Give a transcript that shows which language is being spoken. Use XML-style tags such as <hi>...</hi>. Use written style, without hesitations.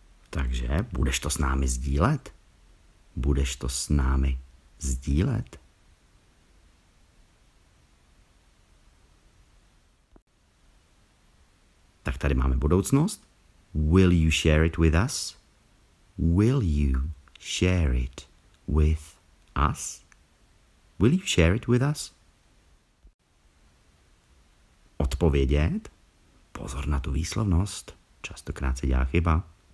<cs>Takže budeš to s námi sdílet? Budeš to s námi sdílet? Tak tady máme budoucnost.</cs> <en>Will you share it with us? Will you share it with us? Will you share it with us?</en> <cs>odpovědět. Pozor na tu výslovnost, častokrát se dělá chyba.</cs>